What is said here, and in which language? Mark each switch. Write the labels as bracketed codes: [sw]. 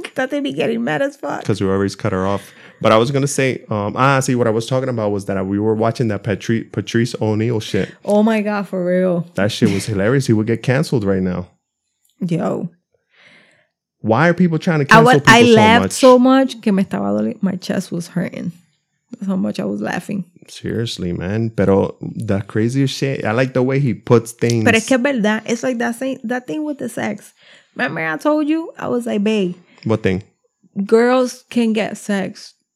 [en] Tati be getting mad as fuck. Because we already cut her off. But I was going to say, what I was talking about was that we were watching that Patrice O'Neal shit. Oh my God, for real. That shit was hilarious. He would get canceled right now. Yo. Why are people trying to cancel people so much? I laughed so much [es] que me estaba doliendo. [en] My chest was hurting. That's how much I was laughing. Seriously, man. Pero the craziest shit, I like the way he puts things. [es] Pero es que es verdad. [en] It's like that thing with the sex. Remember I told you? I was like, babe. What thing? Girls can get sex.